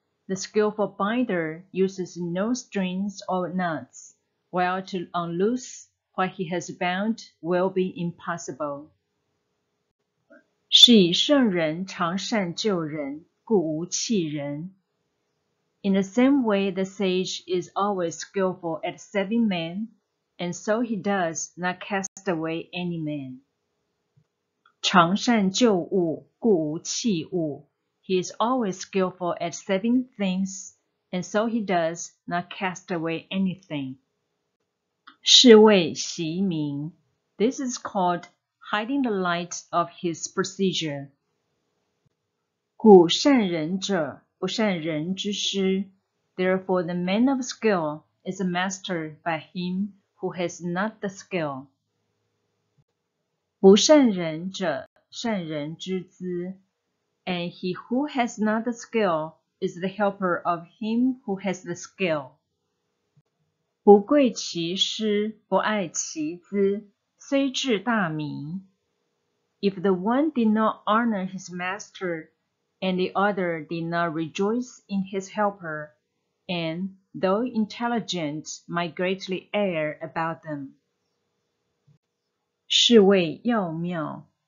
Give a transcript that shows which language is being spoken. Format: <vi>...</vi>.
<en>The skillful binder uses no strings or knots, while to unloose what he has bound will be impossible.</en> <zh>是以圣人常善救人，故无弃人.</zh> <en>In the same way, the sage is always skillful at saving men, and so he does not cast away any man.</en> <zh>常善救物，故无弃物.</zh> <en>He is always skillful at saving things, and so he does not cast away anything.</en> <zh>是谓习明.</zh> <en>This is called hiding the light of his procedure.</en> <zh>故善人者, 不善人之师.</zh> <en>Therefore, the man of skill is a master by him who has not the skill.</en> <zh>不善人者, 善人之资.</zh> <en>And he who has not the skill is the helper of him who has the skill.</en> <zh>不贵其师, 不爱其资, 虽至大名.</zh> <en>If the one did not honor his master, and the other did not rejoice in his helper, and, though intelligent, might greatly err about them.</en> <zh>是谓要妙.</zh>